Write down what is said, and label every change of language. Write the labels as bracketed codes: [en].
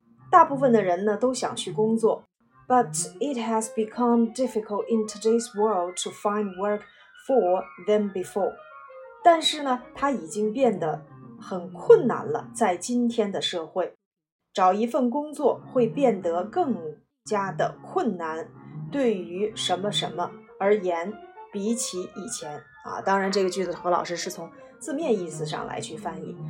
[zh] 大部分的人呢都想去工作。 [en] But it has become difficult in today's world to find work for than before. [zh] 但是呢它已经变得很困难了，在今天的社会。找一份工作会变得更加的困难，对于什么什么而言，比起以前。啊，当然这个句子何老师是从字面意思上来去翻译。